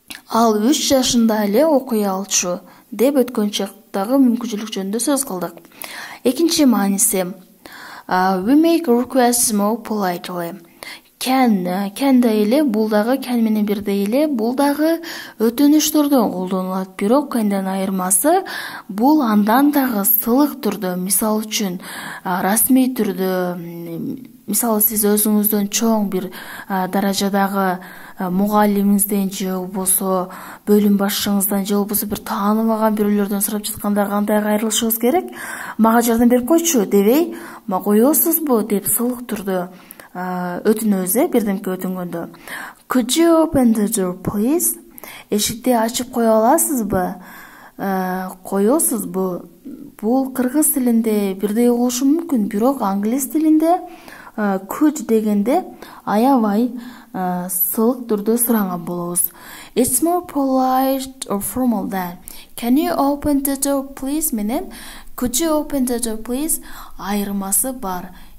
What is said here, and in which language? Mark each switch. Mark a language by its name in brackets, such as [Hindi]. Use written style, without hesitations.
[Kyrgyz] Ал 3 жашында эле окуй алчу деп өткөн чактагы мүмкүнчүлүк жөнүндө сөз кылдык. Экинчи мааниси. [English] We make requests more politely. [Kyrgyz] Can да эле, бул дагы can менен бирдей эле, бул дагы өтүнүчтөрдө колдонулат. Бирок кандан айырмасы, бул андан дагы сылык түрдө, мисалы үчүн, расмий түрдө, мисалы сиз өзүңүздөн чоң бир даражадагы мугалимиңизден же болбосо бөлүм башчыңыздан же болбосо бир таанымаган бирөөлөрдөн сурап жатканда кандай кайрылышыңыз керек? Мага жардам берип койчу дебей, коесузбу деп сылык түрдө өтүнөбүз э бирдемке өтүнгөндө. [English] Could you open the door please? [Kyrgyz] Эшикти ачып кое аласызбы? Коесузбу? Бул кыргыз тилинде бирдей болушу мүмкүн, бирок англис тилинде could дегенде аябай сылык түрдө сураган болобуз. [English] It's more polite or formal than. Can you open the door please менен could you open the door please [Kyrgyz] айырмасы бар.